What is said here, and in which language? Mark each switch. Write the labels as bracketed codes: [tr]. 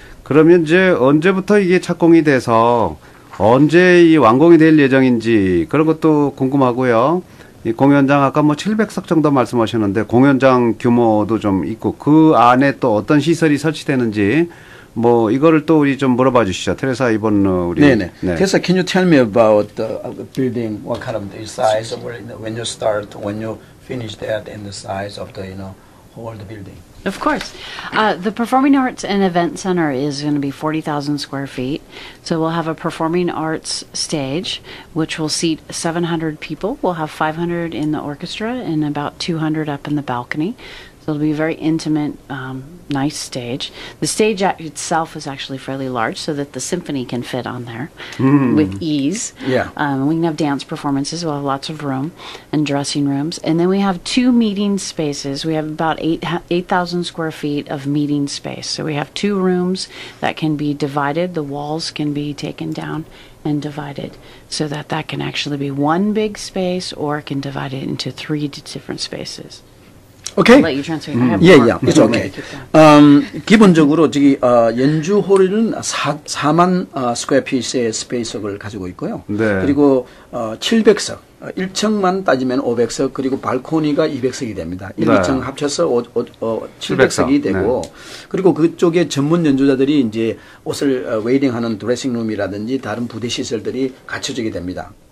[ko] 그러면 이제 언제부터 이게 착공이 돼서 언제 이 완공이 될 예정인지 그런 것도 궁금하고요. 이 공연장 아까 뭐 700석 정도 말씀하셨는데 공연장 규모도 좀 있고 그 안에 또 어떤 시설이 설치되는지 뭐 이거를 또 우리 좀 물어봐 주시죠. 테레사 이번 우리 네네. 네. [en] 테레사, can you tell me about the building? What kind of the size of when you start, when you finish that, and the size of the you know whole the building? Of course, the Performing Arts and Event Center is going to be 40,000 square feet. So we'll have a performing arts stage, which will seat 700 people. We'll have 500 in the orchestra and about 200 up in the balcony. So it'll be a very intimate, nice stage. The stage itself is actually fairly large so that the symphony can fit on there with ease. Yeah. We can have dance performances. We'll have lots of room and dressing rooms. And then we have two meeting spaces. We have about 8,000 square feet of meeting space. So we have two rooms that can be divided. The walls can be taken down and divided so that that can actually be one big space or can divide it into three different spaces. Okay. I'll let you transfer. Yeah, yeah. It's okay. [ko] 기본적으로 저기 연주 홀은 4만 스퀘어피스의 스페이스를 가지고 있고요. 네. 그리고 700석. 1층만 따지면 500석 그리고 발코니가 200석이 됩니다. 1, 네. 2층 합쳐서 700석이 되고 네. 그리고 그쪽에 전문 연주자들이 이제 옷을 웨이딩하는 드레싱 룸이라든지 다른 부대 시설들이 갖춰지게 됩니다.